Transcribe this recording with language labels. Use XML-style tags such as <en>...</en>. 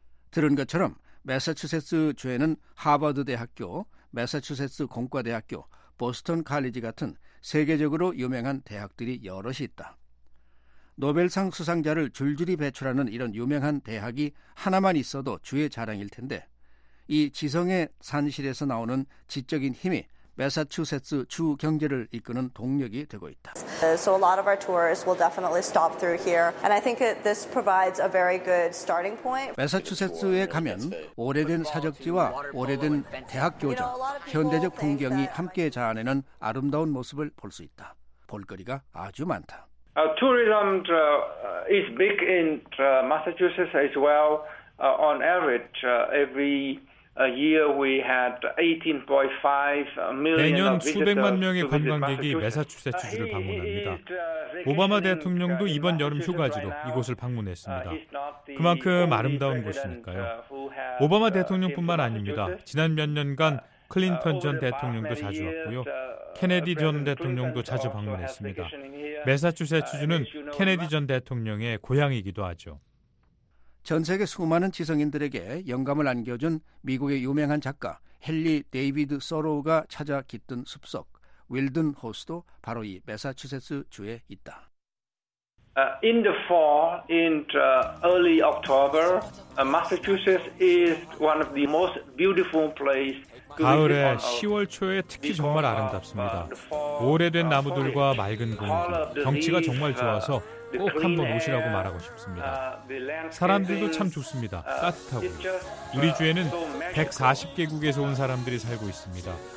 <ko>들은 것처럼 매사추세츠 주에는 하버드대학교, 매사추세츠 공과대학교, 보스턴 칼리지 같은 세계적으로 유명한 대학들이 여럿이 있다. 노벨상 수상자를 줄줄이 배출하는 이런 유명한 대학이 하나만 있어도 주의 자랑일 텐데 이 지성의 산실에서 나오는 지적인 힘이 매사추세츠 주 경제를 이끄는 동력이 되고 있다.</ko> <en>So a lot of our tourists will definitely stop through here, and I think this provides a very good starting point.</en> <ko>매사추세츠에 가면 오래된 사적지와 오래된 대학 교정, 현대적 풍경이 함께 자아내는 아름다운 모습을 볼 수 있다. 볼거리가 아주 많다.</ko> <en>Tourism is big in Massachusetts as well. On average, every year we had 18.5 million.</en> <ko>매년 수백만 명의 관광객이 매사추세츠 주를 방문합니다. 오바마 대통령도 이번 여름 휴가지로 이곳을 방문했습니다. 그만큼 아름다운 곳이니까요. 오바마 대통령뿐만 아닙니다. 지난 몇 년간 클린턴 전 대통령도 자주 왔고요. 케네디 전 대통령도 자주 방문했습니다. 매사추세츠주는 케네디 전 대통령의 고향이기도 하죠. 전 세계 수많은 지성인들에게 영감을 안겨준 미국의 유명한 작가 헨리 데이비드 서로우가 찾아 깃든 숲속 윌든 호수도 바로 이 매사추세츠 주에 있다.</ko> <en>In the fall, in early October, Massachusetts is one of the most beautiful places.</en> <ko>가을에 10월 초에 특히 정말 아름답습니다. 오래된 나무들과 맑은 공기, 경치가 정말 좋아서 꼭 한번 오시라고 말하고 싶습니다. 사람들도 참 좋습니다. 따뜻하고요. 우리 주에는 140개국에서 온 사람들이 살고 있습니다.</ko>